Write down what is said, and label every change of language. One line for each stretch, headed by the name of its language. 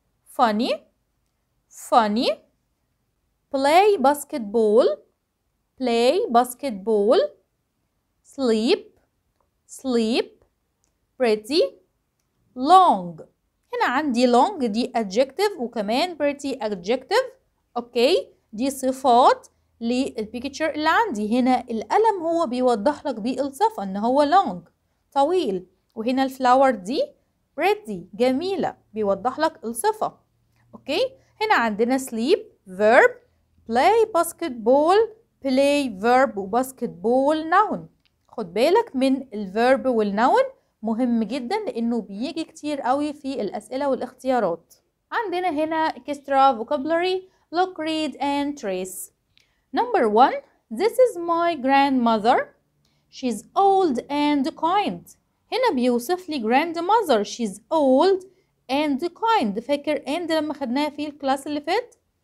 English: Funny. Play basketball. Sleep. Pretty. Long.
Arabic: هنا عندي long دي adjective وكمان pretty adjective.
English: Okay.
Arabic: دي صفات للبيكتشر اللي عندي. هنا القلم هو بيوضح لك بالصف ان هو long طويل. وهنا الفلاور دي pretty جميلة بيوضح لك الصفة.
English: okay
Arabic: هنا عندنا
English: sleep verb, play basketball, play verb وباسكتبول noun.
Arabic: خد بالك من الverb والnoun مهم جدا لانه بيجي كتير قوي في الاسئلة والاختيارات. عندنا هنا
English: extra vocabulary. Look, read and trace. Number one, this is my grandmother. She's old and kind.
Arabic: هنا بيوصف لي grandmother.
English: She's old and kind.
Arabic: فاكر and لما خدناها في الكلاس اللي فات.